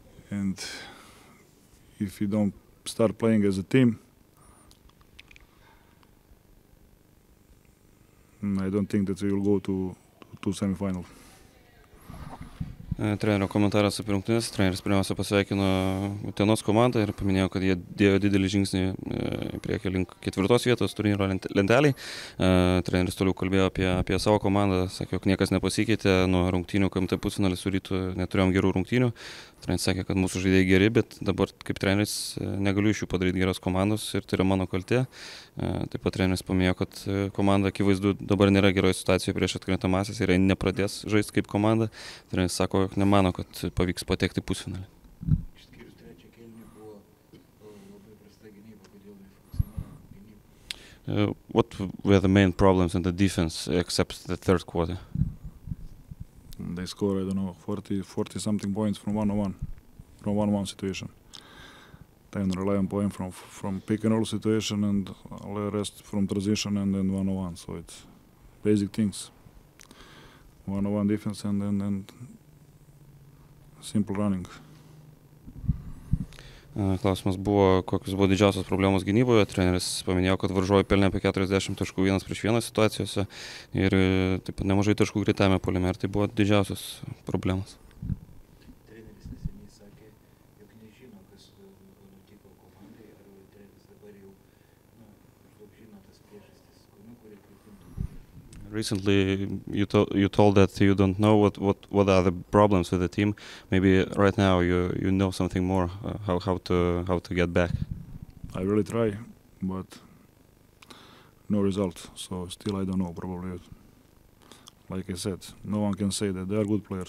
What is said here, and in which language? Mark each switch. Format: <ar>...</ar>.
<en>And if you don't start playing as a team, I don't think that we will go to semifinal.</en> <lt>Trenerio komentaras apie rungtynes. Treneris pirmiausia pasveikino Utenos komandą ir paminėjo, kad jie dėjo didelį žingsnį į priekį link ketvirtos vietos turnyro lenteliai. Treneris toliau kalbėjo apie savo komandą, sakė, jog niekas nepasikeitė nuo rungtynių, kai MT pusfinalį su Rytu neturėjom gerų rungtynių. Treneris sakė, kad mūsų žaidėjai geri, bet dabar kaip treneris negaliu iš jų padaryti geros komandos ir tai yra mano kaltė. Taip pat treneris paminėjo, kad komanda akivaizdu dabar nėra geroje situacijoje prieš atkrintamąsias ir nepradės žaisti kaip komanda. Treneris sako, jog nemano, kad pavyks patekti pusfinalį. Išskyrus trečią kėlinį buvo labai prasta gynyba, kodėl nefunkcionavo gynyba.</lt> <en>What were the main problems in the defense except the third quarter? They scored, I don't know, 40 something points from 1-on-1, from 1-on-1 situation. Then rely on point from pick and roll situation and all the rest from transition and then 1-on-1. So it's basic things. 1-on-1 defense and then simple running.</en> <lt>Klausimas buvo, kokios buvo didžiausios problemos gynyboje. Treneris paminėjo, kad varžovai pelnė apie 40 taškų vienas prieš vieną situacijose ir taip pat nemažai taškų greitame puolime. Ar tai buvo didžiausios problemos? Treneris neseniai sakė, jog nežino, kas nutiko komandai, ar treneris dabar jau maždaug žino tas priežastis, kurie pritimtų.</lt> <en>Recently you told that you don't know what are the problems with the team. Maybe right now you know something more how to get back. I really try, but no result. So still I don't know. Probably, like I said, no one can say that. They are good players.</en>